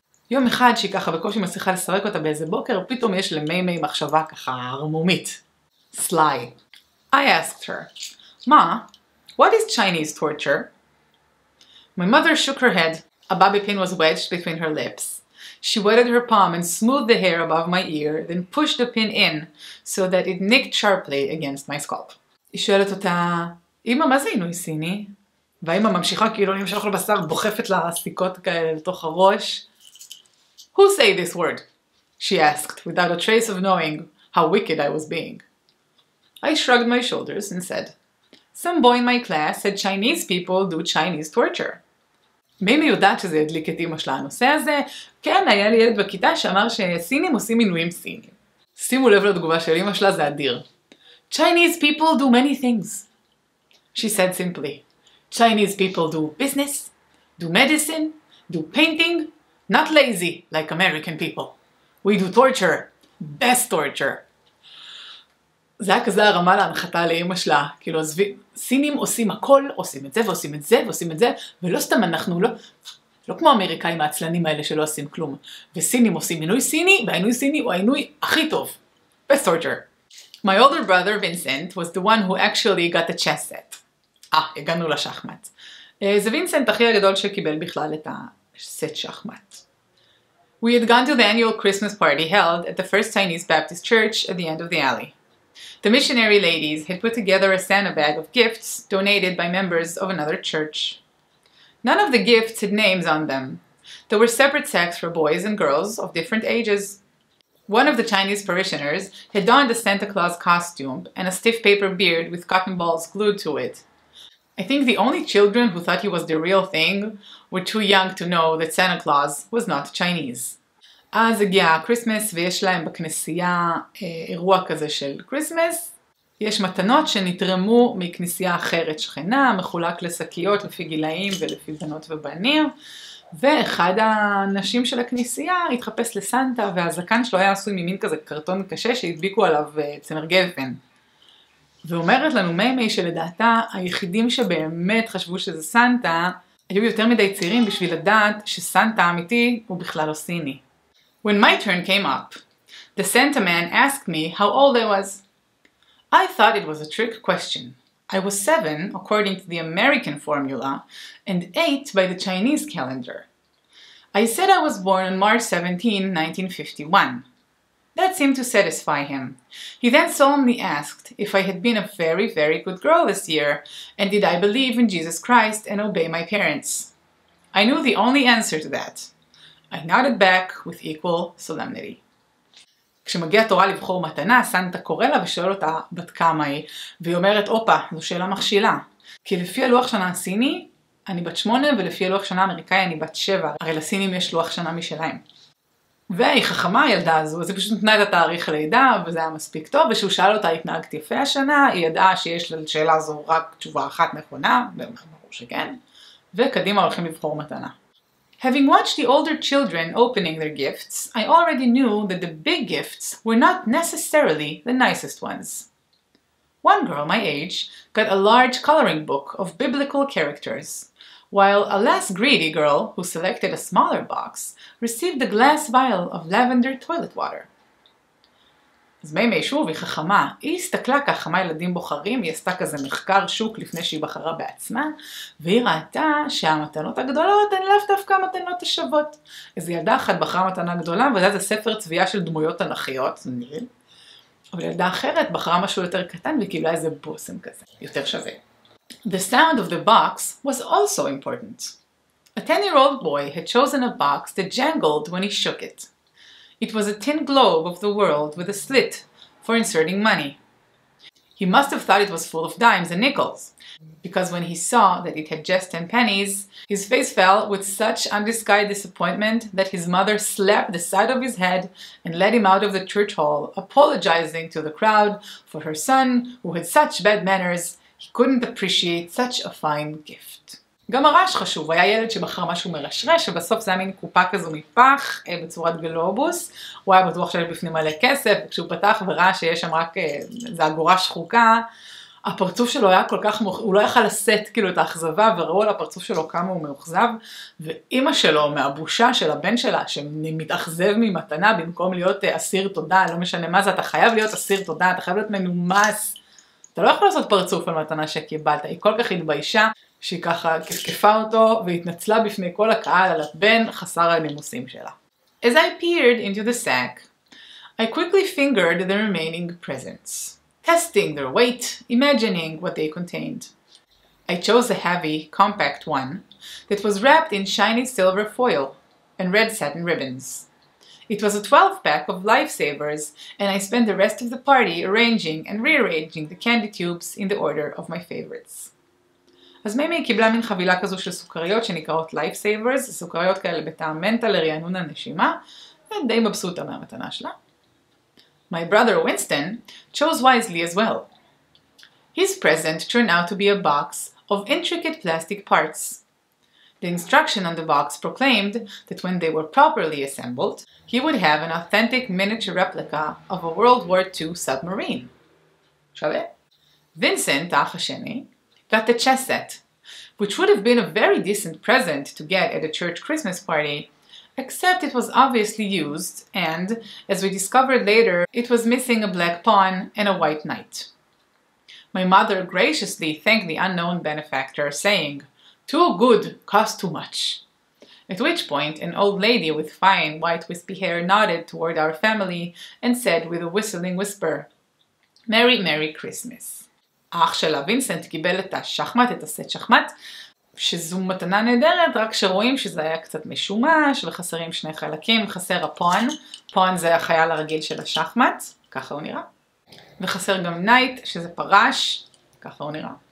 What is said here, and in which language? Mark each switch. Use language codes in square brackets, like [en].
[he] יום אחד שהיא ככה בקושי מצליחה לסרק אותה באיזה בוקר, פתאום יש למיימי מחשבה ככה הרמומית. [en] Sly. I asked her, Ma, what is Chinese torture? My mother shook her head. A bobby pin was wedged between her lips. She wetted her palm and smoothed the hair above my ear, then pushed the pin in so that it nicked sharply against my scalp. [he] היא שואלת אותה, אמא, מה זה עינוי סיני? והאמא ממשיכה כאילו נמשך לבשר, בוחפת לה סיכות כאלה לתוך הראש. [en] Who say this word? She asked, without a trace of knowing how wicked I was being. I shrugged my shoulders and said, Some boy in my class said Chinese people do Chinese torture. [he] מימי יודעת שזה ידליק את אמא שלה הנושא הזה. כן, היה לי ילד בכיתה שאמר שסינים עושים עינויים סינים. שימו לב לתגובה של אמא שלה, זה אדיר. [en] Chinese people do many things. She said simply, Chinese people do business, do medicine, do painting, not lazy like American people. We do torture, best torture. [he] זה היה כזה הרמה להנחתה לאמא שלה, כאילו סינים עושים הכל, עושים את זה ועושים את זה ועושים את זה, ולא סתם אנחנו לא, לא כמו האמריקאים העצלנים האלה שלא עושים כלום, וסינים עושים עינוי סיני, והעינוי סיני הוא העינוי הכי טוב. [en] Best torture. My older brother Vincent was the one who actually got the chess set. [he] הגענו לשחמט. זה וינסנט אחי הגדול שקיבל בכלל את הסט שחמט. [en] We had gone to the annual Christmas party held at the first Chinese Baptist church at the end of the alley. The missionary ladies had put together a Santa bag of gifts donated by members of another church. None of the gifts had names on them. There were separate sacks for boys and girls of different ages. One of the Chinese parishioners had donned a Santa Claus costume and a stiff paper beard with cotton balls glued to it. I think the only children who thought he was the real thing were too young to know that Santa Claus was not Chinese. [he] אז הגיע הקריסמס ויש להם בכנסייה אירוע כזה של קריסמס. יש מתנות שנתרמו מכנסייה אחרת שכנה, מחולק לסקיות לפי גילאים ולפי בנות ובנים. ואחד האנשים של הכנסייה התחפש לסנטה והזקן שלו היה עשוי ממין כזה קרטון קשה שהדביקו עליו צמר גפן. ואומרת לנו מימי שלדעתה היחידים שבאמת חשבו שזה סנטה היו יותר מדי צעירים בשביל לדעת שסנטה אמיתי הוא בכלל לא סיני. [en] When my turn came up, the Santa man asked me how old I was. I thought it was a trick question. I was 7 according to the American formula and 8 by the Chinese calendar. I said I was born on March 17, 1951. That seemed to satisfy him. He then solemnly asked if I had been a very, very good girl this year and did I believe in Jesus Christ and obey my parents. I knew the only answer to that. I nodded back with equal solemnity. [he] כשמגיע תורה לבחור מתנה, סנטה קורא לה ושואל אותה בת כמה היא, והיא אומרת, אופה, זו שאלה מכשילה. כי לפי הלוח שנה הסיני, אני בת 8, ולפי הלוח שנה האמריקאי, אני בת 7. הרי לסינים יש לוח שנה משלהם. והיא חכמה, הילדה הזו, אז היא פשוט נתנה את התאריך לידה, וזה היה מספיק טוב, ושהוא שאל אותה, התנהגת יפה השנה, היא ידעה שיש לשאלה הזו רק תשובה אחת נכונה, ברור שכן, וקדימה הולכים לבחור מתנה. [en] Having watched the older children opening their gifts, I already knew that the big gifts were not necessarily the nicest ones. One girl my age got a large coloring book of biblical characters, while a less greedy girl who selected a smaller box received a glass vial of lavender toilet water. [he] אז מימי שוב היא חכמה, היא הסתכלה כחמה ילדים בוחרים, היא עשתה כזה מחקר שוק לפני שהיא בחרה בעצמה, והיא ראתה שהמתנות הגדולות הן לאו דווקא מתנות השוות. אז ילדה אחת בחרה מתנה גדולה, וזה היה ספר צביעה של דמויות תנכיות, אבל ילדה אחרת בחרה משהו יותר קטן וקיבלה איזה בוסם כזה, יותר שווה. [en] The sound of the box was also important. A 10-year-old boy had chosen a box that jangled when he shook it. It was a tin globe of the world with a slit for inserting money. He must have thought it was full of dimes and nickels, because when he saw that it had just 10 pennies, his face fell with such undisguised disappointment that his mother slapped the side of his head and led him out of the church hall, apologizing to the crowd for her son, who had such bad manners, he couldn't appreciate such a fine gift. [he] גם הרעש חשוב, היה ילד שבחר משהו מרשרש, ובסוף זה היה מין קופה כזו מפח, בצורת גלובוס. הוא היה בטוח שיש בפנים מלא כסף, וכשהוא פתח וראה שיש שם רק איזו אגורה שחוקה, הפרצוף שלו היה כל כך הוא לא יכל לשאת כאילו את האכזבה, וראו על הפרצוף שלו כמה הוא מאוכזב, ואימא שלו, מהבושה של הבן שלה, שמתאכזב ממתנה במקום להיות אסיר תודה, לא משנה מה זה, אתה חייב להיות אסיר תודה, אתה חייב להיות מנומס. אתה לא יכול לעשות פרצוף על מתנה שקיבלת, היא כל כך התביישה שהיא ככה כתקפה אותו והתנצלה בפני כל הקהל על הבן חסר הנימוסים שלה. [en] As I peered into the sack, I quickly fingered the remaining presents, testing their weight, imagining what they contained. I chose a heavy, compact one that was wrapped in shiny silver foil and red satin ribbons. It was a 12-pack of lifesavers, and I spent the rest of the party arranging and rearranging the candy tubes in the order of my favorites. [he] אז מימי קיבלה מין חבילה כזו של סוכריות שנקראות lifesavers, סוכריות כאלה בטעם מנטה לרענון הנשימה, ודי מבסוטה מהמתנה שלה. [en] My brother Winston chose wisely as well. His present turned out to be a box of intricate plastic parts. The instruction on the box proclaimed that when they were properly assembled, he would have an authentic miniature replica of a World War II submarine. [he] שווה? [en] Vincent, [he] אח השני, [en] got the chess set, which would have been a very decent present to get at a church Christmas party, except it was obviously used, and, as we discovered later, it was missing a black pawn and a white knight. My mother graciously thanked the unknown benefactor, saying, "Too good, cost too much." At which point, an old lady with fine, white, wispy hair nodded toward our family and said with a whistling whisper, "Merry, Merry Christmas." [he] אח שלה, וינסנט, קיבל את השחמט, את הסט שחמט, שזו מתנה נהדרת, רק שרואים שזה היה קצת משומש וחסרים שני חלקים, חסר הפון, פון זה החייל הרגיל של השחמט, ככה הוא נראה, וחסר גם נייט, שזה פרש, ככה הוא נראה.